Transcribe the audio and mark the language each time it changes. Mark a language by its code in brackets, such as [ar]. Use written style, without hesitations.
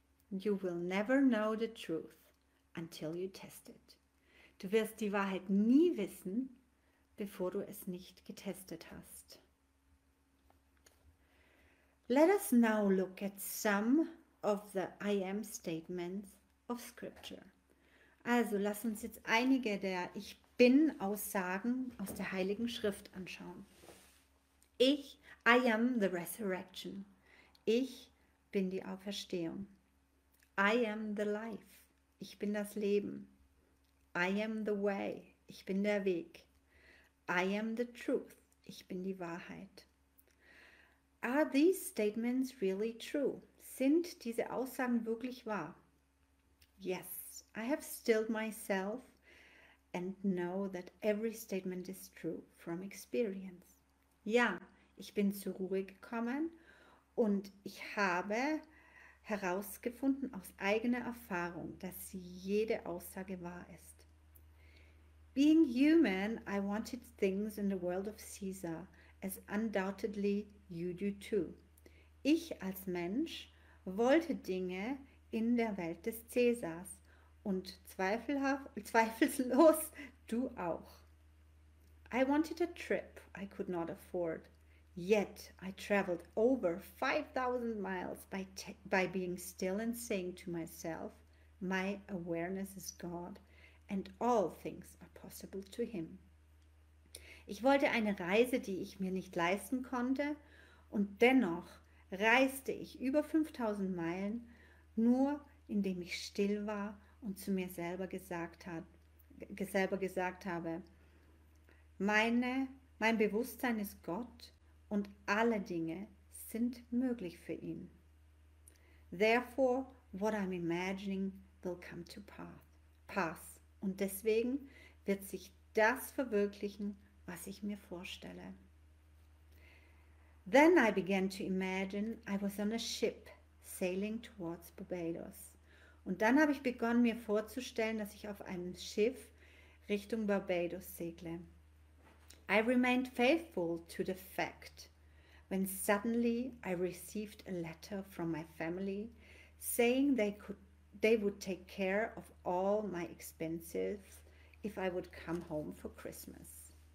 [en] You will never know the truth until you test it. [de] Du wirst die Wahrheit nie wissen, bevor du es nicht getestet hast. [en] Let us now look at some of the I am statements of scripture. [de] Also lass uns jetzt einige der Ich Bin-Aussagen aus der Heiligen Schrift anschauen. Ich, [en] I am the resurrection. [de] Ich bin die Auferstehung. [en] I am the life. [de] Ich bin das Leben. [en] I am the way. [de] Ich bin der Weg. [en] I am the truth. [de] Ich bin die Wahrheit. [en] Are these statements really true? [de] Sind diese Aussagen wirklich wahr? [en] Yes, I have stilled myself and know that every statement is true from experience. [de] Ja, ich bin zur Ruhe gekommen und ich habe herausgefunden aus eigener Erfahrung, dass jede Aussage wahr ist. [en] Being human, I wanted things in the world of Caesar, as undoubtedly you do too. [de] Ich als Mensch wollte Dinge in der Welt des Cäsars und zweifellos du auch. [en] I wanted a trip I could not afford, yet I traveled over 5000 miles by being still and saying to myself, my awareness is God and all things are possible to him. [de] Ich wollte eine Reise, die ich mir nicht leisten konnte, und dennoch reiste ich über 5000 Meilen, nur indem ich still war und zu mir selber gesagt habe, mein Bewusstsein ist Gott und alle Dinge sind möglich für ihn. [en] Therefore, what I'm imagining will come to pass. [de] Und deswegen wird sich das verwirklichen, was ich mir vorstelle. [en] Then I began to imagine I was on a ship sailing towards Barbados. [de] Und dann habe ich begonnen, mir vorzustellen, dass ich auf einem Schiff Richtung Barbados segle. [en] I remained faithful to the fact when suddenly I received a letter from my family saying they would take care of all my expenses if I would come home for Christmas.